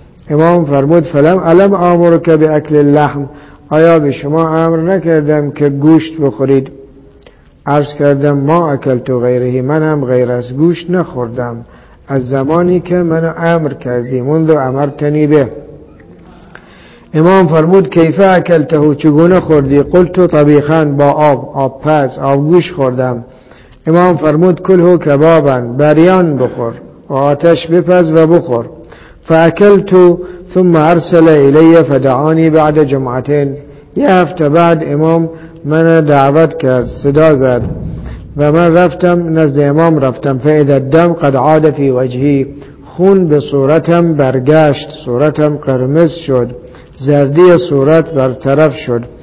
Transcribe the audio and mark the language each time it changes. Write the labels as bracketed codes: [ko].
[fa] امام فرمود [ar] فلم الم آمرک به اکل لحم، [fa] آیا به شما امر نکردم که گوشت بخورید؟ عرض کردم [ar] ما اکلت و غیرهی، [fa] من هم غیر از گوشت نخوردم از زمانی که منو امر کردی، [ar] منذ امرتنی به. [fa] امام فرمود [ar] کیف اکلته، [fa] چگونه خوردی؟ [ar] قلت طبیخان، [fa] با آب، آب پز، آب گوش خوردم. امام فرمود [ar] کله کبابن، [fa] بریان بخور، و آتش بپز و بخور. [ar] فأكلت ثم أرسل إلي فدعاني بعد جمعتين. [fa] یه هفته بعد امام من دعوت کرد، صدا زد و من رفتم نزد امام رفتم. [ar] فإذا الدم قد عاد في وجهي، [fa] خون به صورتم برگشت، صورتم قرمز شد، زردی صورت برطرف شد.